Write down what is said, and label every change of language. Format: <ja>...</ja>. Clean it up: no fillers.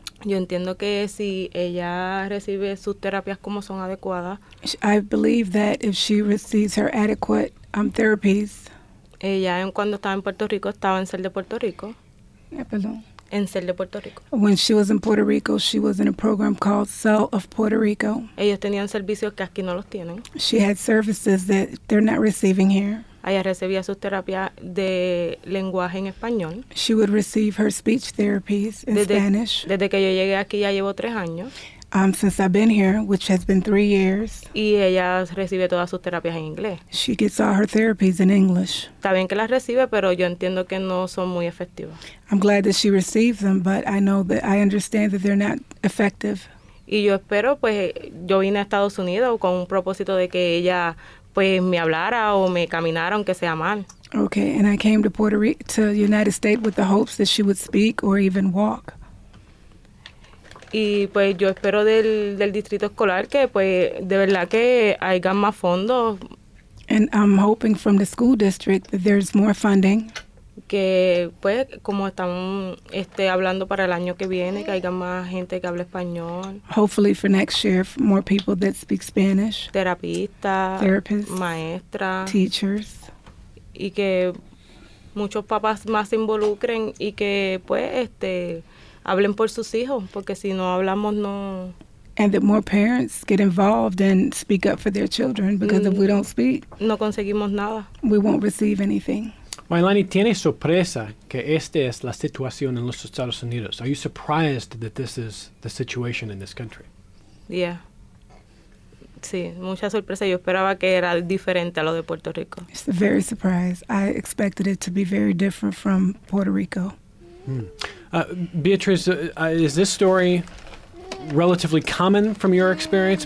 <es>Yo entiendo que si ella recibe sus terapias como son adecuadas,</es> <en>I believe that if she receives her adequate therapies,</en> <es>ella cuando estaba en Puerto Rico estaba en Ser de Puerto Rico. En Ser de Puerto Rico.</es> <en>When she was in Puerto Rico, she was in a program called Cell of Puerto Rico.</en> <es>Ellos tenían servicios que aquí no los tienen.</es> <en>She had services that they're not receiving here.</en> <es>Ella recibía sus terapias de lenguaje en español.</es> <en>She would receive her speech therapies in Spanish.</en> <es>Desde que yo llegué aquí ya llevo 3 años.</es> <en>Since I've been here, which has been 3 years.</en> <es>Y ella recibe todas sus terapias en inglés.</es> <en>She gets all her therapies in English.</en> <es>Está bien que las recibe, pero yo entiendo que no son muy efectivas.</es> <en>I'm glad that she receives them, but I know that I understand that they're not effective.</en> <es>Y yo espero, pues, yo vine a Estados Unidos con un propósito de que ella, pues, me hablara o me caminara, aunque sea mal.</es> <en>Okay, and I came to Puerto Rico, to the United States, with the hopes that she would speak or even walk.</en> <es>Y pues yo espero del distrito escolar que pues de verdad que haya más fondos.</es> <en>And I'm hoping from the school district that there's more funding.</en> <es>Que pues como están hablando para el año que viene, que haya más gente que hable español.</es> <en>Hopefully for next year, for more people that speak Spanish.</en> <es>Terapistas.</es> <en>Therapists.</en> <es>Maestras.</es> <en>Teachers.</en> <es>Y que muchos papás más se involucren y que pues hablen por sus hijos, porque si no hablamos, no...</es> <en>And that more parents get involved and speak up for their children, because if we don't speak...</en> <es>No conseguimos nada.</es> <en>We won't receive anything.</en> <es>Wailani, ¿tiene sorpresa que esta es la situación en los Estados Unidos?</es> <en>Are you surprised that this is the situation in this country?</en> <es>Yeah. Sí, mucha sorpresa. Yo esperaba que era diferente a lo de Puerto Rico.</es> <en>It's very surprised. I expected it to be very different from Puerto Rico. Hmm. Beatriz, is this story relatively common from your experience?</en>